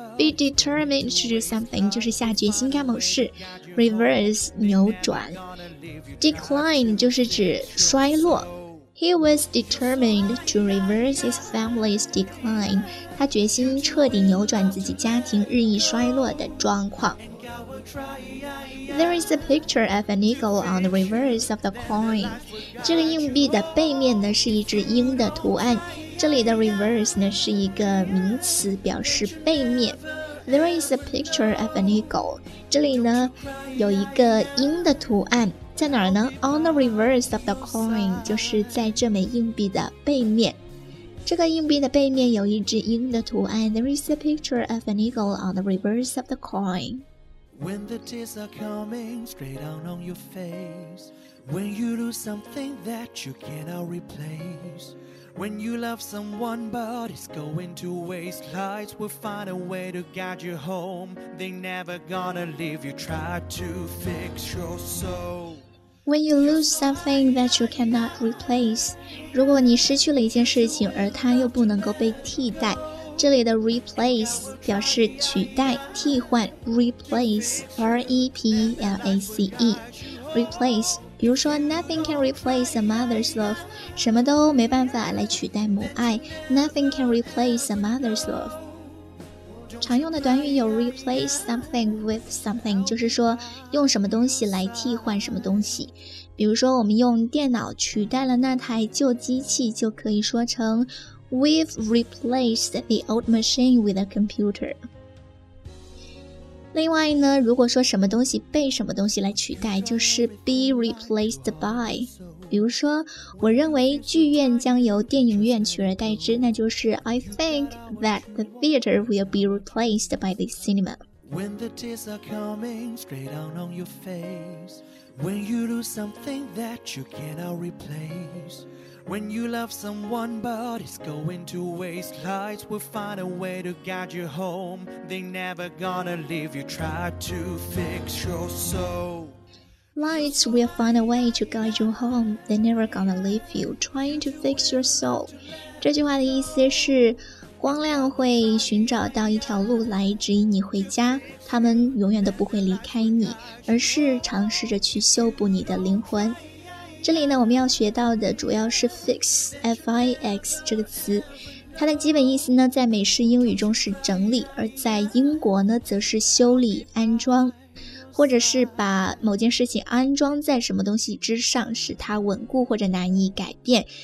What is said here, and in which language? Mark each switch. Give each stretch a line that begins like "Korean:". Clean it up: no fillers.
English: Be determined to do something
Chinese: 就是下决心干某事。 Reverse 扭转。Decline 就是指衰落。
English: He was determined to reverse his family's decline.
Chinese: 他决心彻底扭转自己家庭日益衰落的状况。
English: There is a picture of an eagle on the reverse of the coin.
Chinese: 这个硬币的背面呢是一只鹰的图案。这里的 reverse 呢是一个名词，表示背面。
English: There is a picture of an eagle.
Chinese: 这里呢有一个鹰的图案，在哪儿呢？
English: On the reverse of the coin，
Chinese: 就是在这枚硬币的背面。这个硬币的背面有一只鹰的图案。
English: There is a picture of an eagle on the reverse of the coin. When the tears are coming straight down on your face When you lose something that you cannot replace When you love someone but it's going to waste Lights will find a way to guide you home They never gonna leave you Try to fix your soul When you lose something that you cannot replace
Chinese: 如果你失去了一件事情而它又不能够被替代，这里的 replace 表示取代、替换 ，replace R-E-P-L-A-C-E， replace。
English: 比如说 ，nothing can replace a mother's love，
Chinese: 什么都没办法来取代母爱
English: ，nothing can replace a mother's love。
Chinese: 常用的短语有
English: replace something with something，
Chinese: 就是说用什么东西来替换什么东西。比如说，我们用电脑取代了那台旧机器，就可以说成。
English: We've replaced the old machine with a computer.
Chinese: 另外呢，如果说什么东西被什么东西来取代，就是 be replaced by。比如说，我认为剧院将由电影院取而代之，那就是
English: I think that the theater will be replaced by the cinema。 When the tears are coming straight down on your face, when you do something that you cannot replace, when you love someone but it's going to waste, lights will find a way to guide you home. They're never gonna leave you. Try to fix your soul. Lights will find a way to guide you home. They're never gonna leave you. Try to fix your soul.
Chinese: 这句话的意思是光亮会寻找到一条路来指引你回家，他们永远都不会离开你，而是尝试着去修补你的灵魂。这里呢，我们要学到的主要是 fix, F-I-X 这个词，它的基本意思呢，在美式英语中是整理，而在英国呢，则是修理、安装，或者是把某件事情安装在什么东西之上，使它稳固或者难以改变。